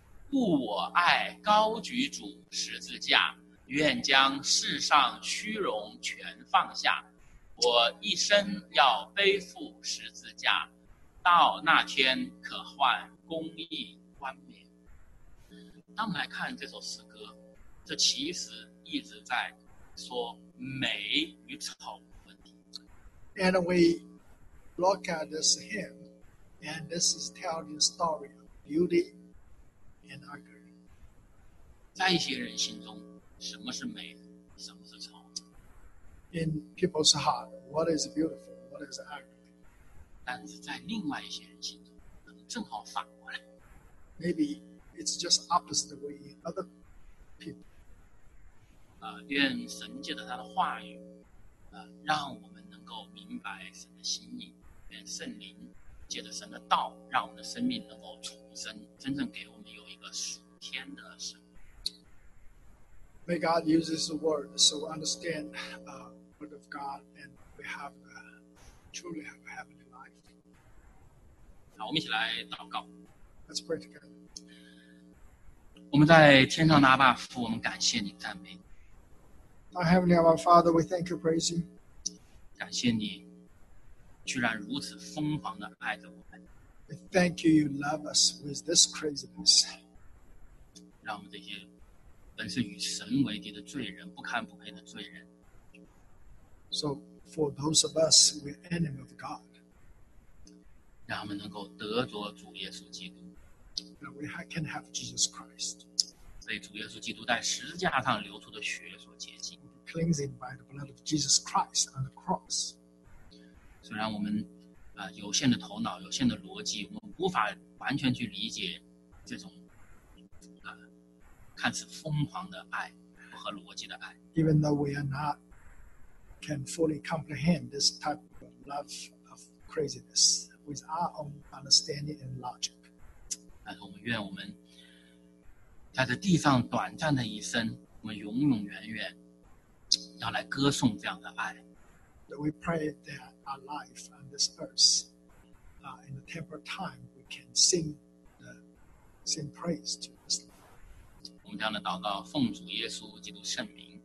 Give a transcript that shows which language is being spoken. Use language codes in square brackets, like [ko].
[zh] 故我爱高举主十字架，愿将世上虚荣全放下。我一生要背负十字架，到那天可换公义冠冕。当我们来看这首诗歌，这其实一直在。说美与丑的问题。 [en] And we look at this hymn, and this is telling the story of beauty and ugly. [zh] 在一些人心中，什么是美，什么是丑 [en] ？In people's heart, what is beautiful, what is ugly? [zh] 但是在另外一些人心中，可能正好反过来。 [en] Maybe it's just opposite way other people. [zh] 愿神借着他的话语，让我们能够明白神的心意。愿圣灵借着神的道，让我们的生命能够重生，真正给我们有一个属天的生命。 [en] May God use this word so we understand the word of God and we have truly have a heavenly life. [zh] 好，我们一起来祷告。 [en] Let's pray together. [zh] 我们在天上的阿爸父，我们感谢你，赞美你。 [en] Our Heavenly our Father, we thank you, praise you. [zh] 感谢你居然如此疯狂地爱着我们。 [en] We thank you, you love us with this craziness. [zh] 让我们这些本是与神为敌的罪人，不堪不配的罪人。 [en] So for those of us, we're enemy of God. [zh] 让我们能够得着主耶稣基督。 [en] That we can have Jesus Christ. [zh] 被主耶稣基督在十字架上流出的血所洁净 [en] cleansing by the blood of Jesus Christ on the cross [zh] 虽然我们有限的头脑有限的逻辑我们无法完全去理解这种看似疯狂的爱和和逻辑的爱。 [en] Even though we are not can fully comprehend this type of love of craziness with our own understanding and logic. [zh] 但是我们愿我们在这地上短暂的一生，我们永永远远要来歌颂这样的爱。 [en] We pray that our life on this earth, in the temporal time, we can sing praise to this love. [zh] 我们这样的祷告，奉主耶稣基督圣名。